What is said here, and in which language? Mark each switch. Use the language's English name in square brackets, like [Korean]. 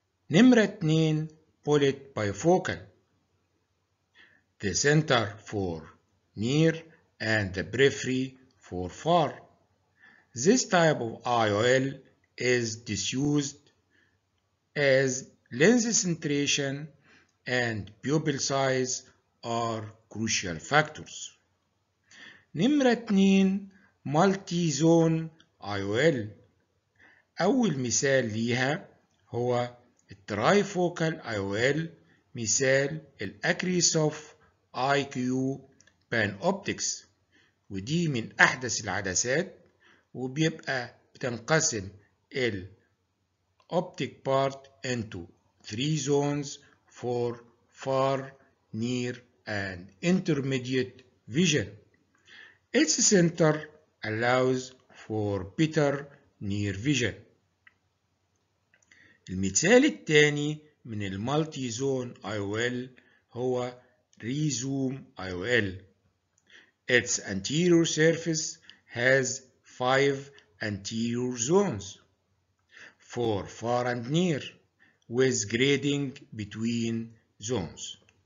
[English] نمرة 2 bullet bifocal the center for near and the periphery for far. This type of IOL is disused as lens centration and pupil size are crucial factors. [Arabic] نمرة 2 multi-zone IOL أول مثال ليها هو الترايفوكال IOL مثال الأكريسوف IQ بان أوبتكس ودي من أحدث العدسات وبيبقى بتنقسم الأوبتيك بارت [English] into 3 zones for far, near and intermediate vision. Its center allows for better near vision. [Arabic] المثال الثاني من المالتي زون IOL هو ريزوم IOL. [English] Its anterior surface has 5 anterior zones for far and near with grading between zones.